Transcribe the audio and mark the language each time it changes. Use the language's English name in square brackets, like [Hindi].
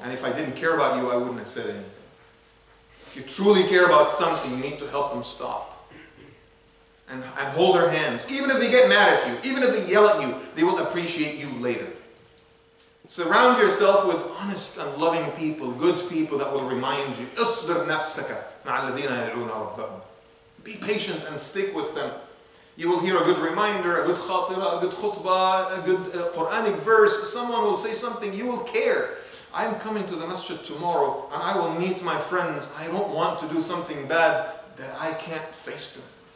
[English] And if I didn't care about you, I wouldn't have said anything. If you truly care about something, you need to help them stop. And hold their hands. Even if they get mad at you, even if they yell at you, they will appreciate you later. Surround yourself with honest and loving people, good people that will remind you. [Arabic] اصبر نفسك مع الذين يدعون ربهم. [English] Be patient and stick with them. You will hear a good reminder, a good khatira, a good khutba, a good Quranic verse. Someone will say something, you will care. I'm coming to the masjid tomorrow and I will meet my friends. I don't want to do something bad that I can't face them.